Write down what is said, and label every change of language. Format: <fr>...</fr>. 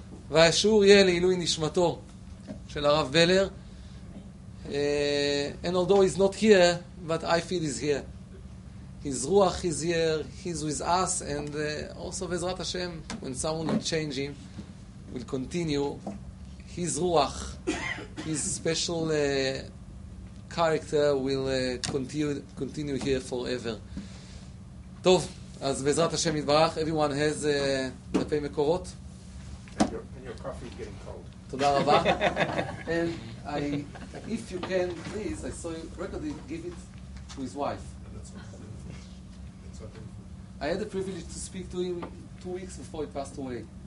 <he>והשיעור יהיה לעילוי נשמתו של הרב בלר.</he> <en>And although he's not here, but I feel he's here. His ruach is here, he's with us, and also</en> <he>בעזרת השם,</he> <en>when someone will change him, will continue his ruach, his special character will continue here forever.</en> <he>טוב, אז בעזרת השם יתברך,</he> <en>everyone has</en> <he>דפי מקורות.</he> <en>your coffee is getting cold.</en> <he>Toda rabba.</he> <en>And I, if you can, please, I saw you record it, give it to his wife. I had the privilege to speak to him 2 weeks before he passed away.</en>